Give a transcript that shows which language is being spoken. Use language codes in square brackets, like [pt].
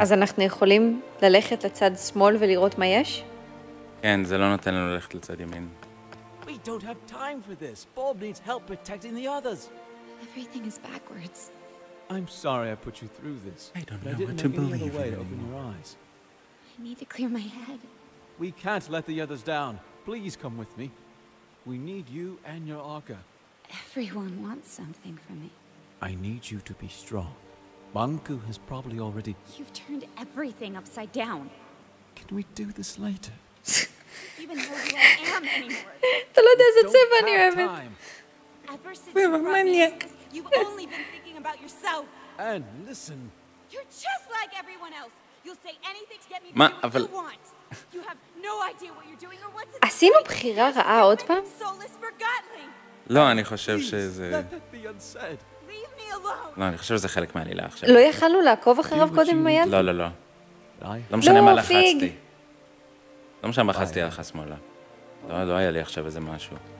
[he] אז אנחנו יכולים ללכת לצד שמאל ולראות מה יש? כן, זה לא נותן לנו ללכת לצד ימין. [en] We don't have time for this. Bob needs help protecting the others. Everything is backwards. I'm sorry I put you through this. I don't know what to believe in you. Open your eyes. I need to clear my head. We can't let the others down. Please come with me. We need you and your Arca. Everyone wants something from me. I need you to be strong. Banku has probably already... You've turned everything upside down. Can we do this later? Even though you don't am anymore. You don't have time. Ever since you brought me into this, you've only been thinking about yourself. And listen. You're just like everyone else. You'll say anything to get me to do what you want. You have no idea what you're doing or what's it like. Did we make a choice again? No, I think it's... Please, let that be unsaid. [he] לא, אני חושב שזה חלק מהעלילה עכשיו. לא יכלנו לעקוב אחריו קודם עם היד? לא, לא, לא. לא משנה מה לחצתי. לא משנה מה לחצתי עליך שמאלה. לא, לא היה לי עכשיו איזה משהו.